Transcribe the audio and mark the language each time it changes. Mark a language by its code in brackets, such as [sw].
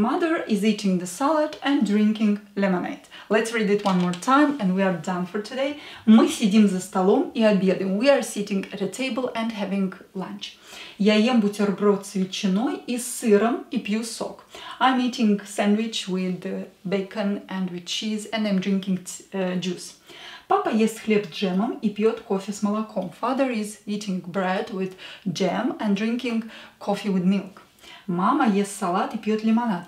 [en] Mother is eating the salad and drinking lemonade. Let's read it one more time and we are done for today. [ru] Мы сидим за столом и обедаем. [en] We are sitting at a table and having lunch. [ru] Я ем бутерброд с ветчиной и сыром и пью сок. [en] I'm eating sandwich with bacon and with cheese and I'm drinking juice. [ru] Папа ест хлеб с джемом и пьет кофе с молоком. [en] Father is eating bread with jam and drinking coffee with milk. [ru] Мама ест салат и пьет лимонад.